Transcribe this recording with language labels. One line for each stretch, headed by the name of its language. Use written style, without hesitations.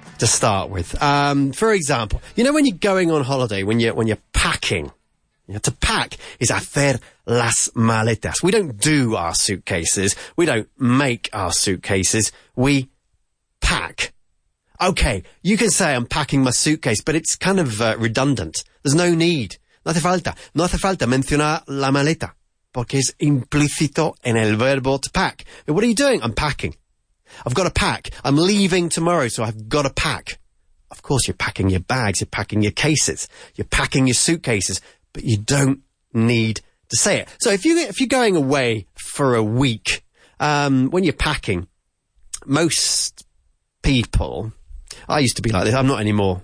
English: To start with, for example, you know when you're going on holiday, when you're packing, you know, to pack is
Spanish: hacer las maletas.
English: We don't do our suitcases. We don't make our suitcases. We pack. Okay, you can say I'm packing my suitcase, but it's kind of redundant. There's no need.
Spanish: No hace falta mencionar la maleta porque es implícito en el verbo to pack.
English: But what are you doing? I'm packing. I've got to pack. I'm leaving tomorrow, so I've got to pack. Of course, you're packing your bags, you're packing your cases, you're packing your suitcases, but you don't need to say it. So if you're going away for a week, when you're packing, most people, I used to be like this, I'm not anymore.